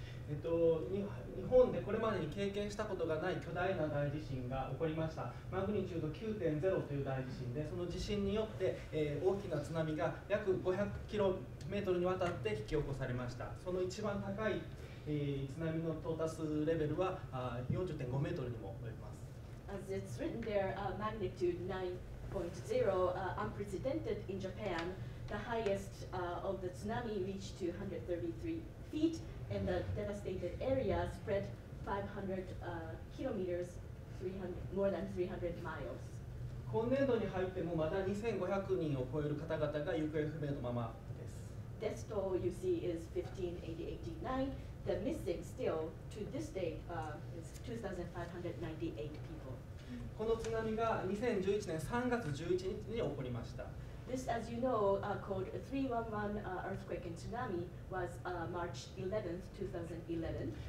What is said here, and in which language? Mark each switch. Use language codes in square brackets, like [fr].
[ja] 日本でこれまでに経験したことがない巨大な大地震が起こりました。マグニチュード 9.0 という大地震で、その地震によって、大きな津波が約500キロメートルにわたって引き起こされました。その一番高い、津波の到達レベルは 40.5 メートルにも及びます。 [en] As it's written there, magnitude 9.0, unprecedented in Japan, the highest of the tsunami reached 233 feet. And the devastated area spread 500 kilometers, more than 300 miles. [ja] 今年度に入ってもまだ2500人を超える方々が行方不明のままです。 [en] Death toll you see is 1589. The missing still to this day is 2,598 people. [ja] この津波が2011年3月11日に起こりました。 [en] This, as you know, called 311 earthquake and tsunami was March 11th, 2011.